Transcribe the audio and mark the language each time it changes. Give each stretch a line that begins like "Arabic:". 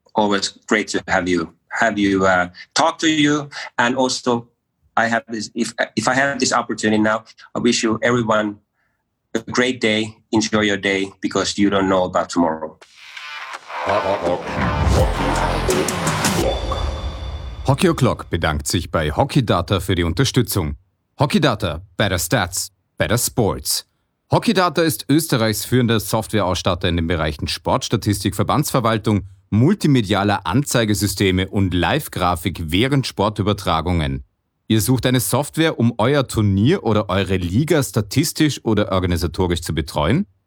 English: Always great to have you talk to you. And also, I have this, if I have this opportunity now, I wish you everyone a great day. Enjoy your day because you don't know about tomorrow.
German: Hockey O'Clock bedankt sich bei Hockey Data für die Unterstützung.
English: Hockey Data, better stats, better sports.
German: Hockey Data ist Österreichs führender Softwareausstatter in den Bereichen Sportstatistik, Verbandsverwaltung, multimedialer Anzeigesysteme und Live-Grafik während Sportübertragungen. Ihr sucht eine Software, um euer Turnier oder eure Liga statistisch oder organisatorisch zu betreuen?